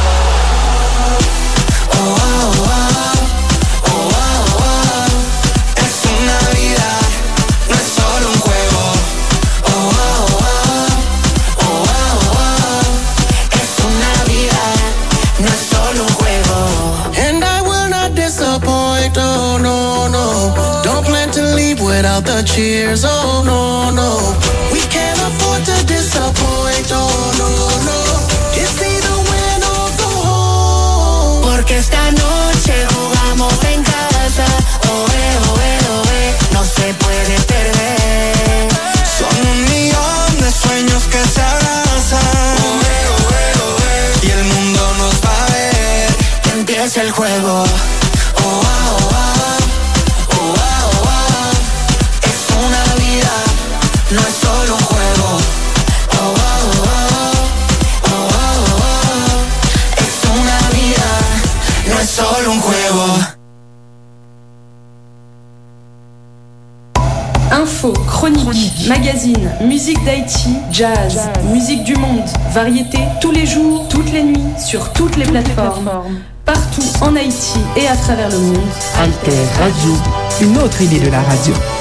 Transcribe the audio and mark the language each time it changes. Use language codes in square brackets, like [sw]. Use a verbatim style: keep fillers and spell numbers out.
[es] Oh, oh, oh, oh, oh, oh. Es una vida, no es solo un juego. Oh, oh, oh, oh, oh, oh. Es una vida, no es solo un juego. [en] And I will not disappoint, oh no, no. Don't plan to leave without the cheers, oh no, no. We can't afford to disappoint, oh no, no. It's either win or go home. [es] Porque esta noche jugamos en casa, oh eh, oh eh, oh eh, no se puede perder. Son un millón de sueños que se abrazan, oh eh, oh eh, oh eh, y el mundo nos va a ver. Es el juego. Oh, oh, oh, oh, oh, oh. Es una vida, no es solo un juego. Oh, oh, oh, oh, oh, oh. Es una vida, no es solo un juego. [fr] Info, chronique, chronique, magazine, musique d'Haïti, jazz, jazz, musique du monde, variété, tous les jours, toutes les nuits, sur toutes les toutes plateformes. Les plateformes. Partout en Haïti et à travers le monde. Alter Radio, une autre idée de la radio.